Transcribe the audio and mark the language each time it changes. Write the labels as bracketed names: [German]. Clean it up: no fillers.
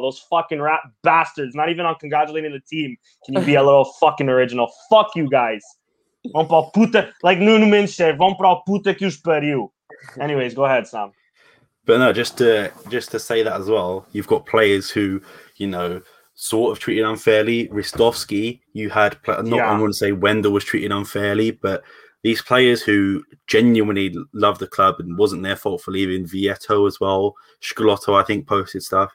[English] Those fucking rap bastards, not even on congratulating the team. Can you be a little fucking original? Fuck you guys. [Portuguese] Vão pra puta, [English] like Nuno Mendes said, [Portuguese] vão pra puta que os pariu. [English] Anyways, go ahead, Sam. But no, just to say that as well, you've got players who, you know, sort of treated unfairly. Ristovsky, you had, not yeah. I wouldn't say Wendell was treated unfairly, but these players who genuinely love the club and wasn't their fault for leaving, Vieto as well, Schlotto, I think, posted stuff.